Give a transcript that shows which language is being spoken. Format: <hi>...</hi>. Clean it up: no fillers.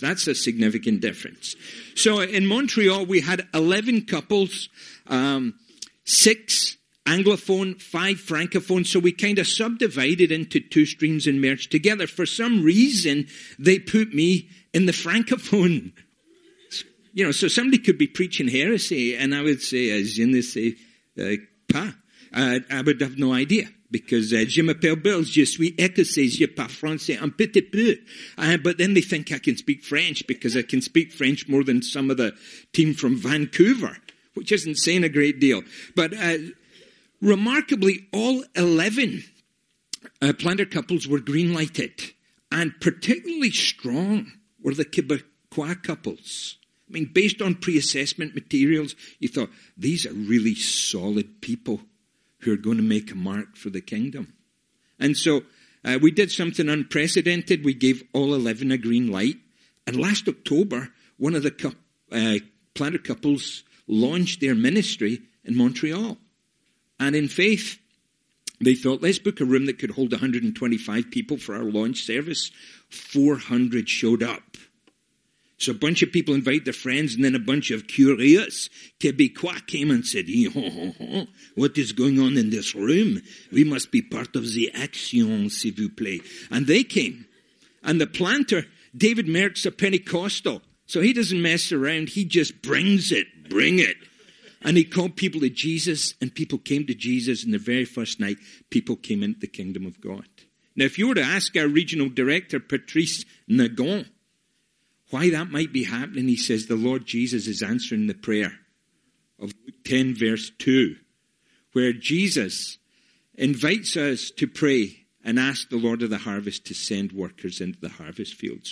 <en>That's a significant difference. So in Montreal, we had 11 couples, 6 Anglophone, 5 Francophone. So we kind of subdivided into two streams and merged together. For some reason, they put me in the Francophone. You know, so somebody could be preaching heresy, and I would say,</en> <fr>je ne sais pas.</fr> <en>I would have no idea, because</en> <fr>je m'appelle Bill, je suis écossais, je parle français un petit peu.</fr> <en>But then they think I can speak French, because I can speak French more than some of the team from Vancouver, which isn't saying a great deal. But remarkably, all 11 planter couples were green-lighted, and particularly strong were the Quebecois couples. I mean, based on pre-assessment materials, you thought, these are really solid people who are going to make a mark for the kingdom. And so we did something unprecedented. We gave all 11 a green light. And last October, one of the planter couples launched their ministry in Montreal. And in faith, they thought, let's book a room that could hold 125 people for our launch service. 400 showed up. So a bunch of people invite their friends, and then a bunch of curious Quebecois came and said, what is going on in this room? We must be part of the action,</en> <fr>s'il vous plaît.</fr> <en>And they came. And the planter, David Merck's a Pentecostal, so he doesn't mess around. He just brings it, bring it. And he called people to Jesus, and people came to Jesus. And the very first night, people came into the kingdom of God. Now, if you were to ask our regional director, Patrice Nagon, why that might be happening, he says, the Lord Jesus is answering the prayer of Luke 10, verse 2, where Jesus invites us to pray and ask the Lord of the harvest to send workers into the harvest field.</en>